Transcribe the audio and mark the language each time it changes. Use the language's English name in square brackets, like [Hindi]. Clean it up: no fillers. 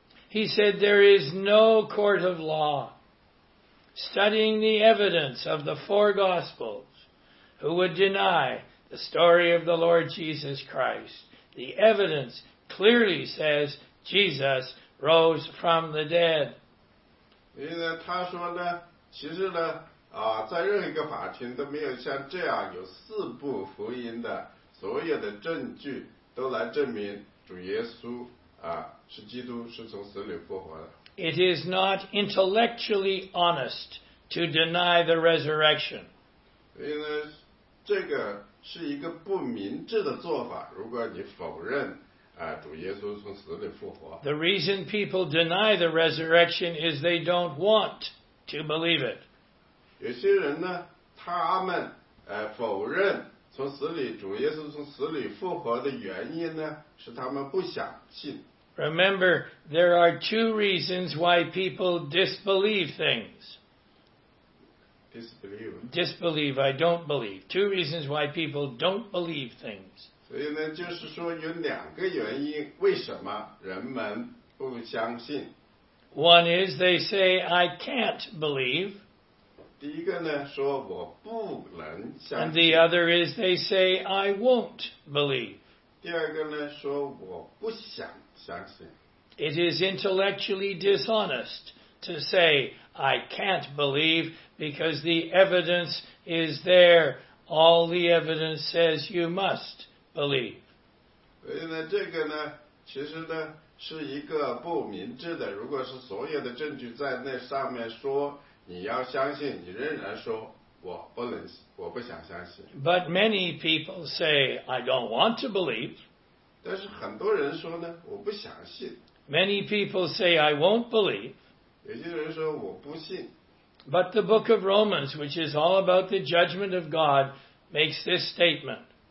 [English] He said there is no court of law studying the evidence of the four Gospels who would deny the story of the Lord Jesus Christ. The evidence clearly says Jesus rose from the dead. [Chinese] 因为他说呢，其实呢，啊，在任何一个法庭都没有像这样有四部福音的。所有的证据都来证明主耶稣啊是基督，是从死里复活的。 [English] It is not intellectually honest to deny the resurrection. [Chinese] 所以呢，这个是一个不明智的做法。如果你否认啊主耶稣从死里复活 [English] ，The reason people deny the resurrection is they don't want to believe it. [Chinese] 有些人呢，他们否认。从死里主耶稣从死里复活的原因呢，是他们不想信。 [English] Remember, there are two reasons why people disbelieve things. Disbelieve. Disbelieve, I don't believe. Two reasons why people don't believe things. [Chinese] 所以呢，就是说有两个原因，为什么人们不相信。 [English] One is they say, I can't believe. [Chinese] 第一个呢，说我不能相信。 [English] And the other is they say I won't believe. [Chinese] 第二个呢，说我不想相信。 [English] It is intellectually dishonest to say I can't believe because the evidence is there. All the evidence says you must believe. [Chinese] 所以呢，这个呢，其实呢，是一个不明智的。如果是所有的证据在那上面说。你要相信，你仍然说我不能，我不想相信。 [English] But many people say I don't want to believe. [Chinese] 但是很多人说呢，我不想信。 [English] Many people say I won't believe. [Chinese] 有些人说我不信。 [English] But the book of Romans, which is all about the judgment of God, makes this statement.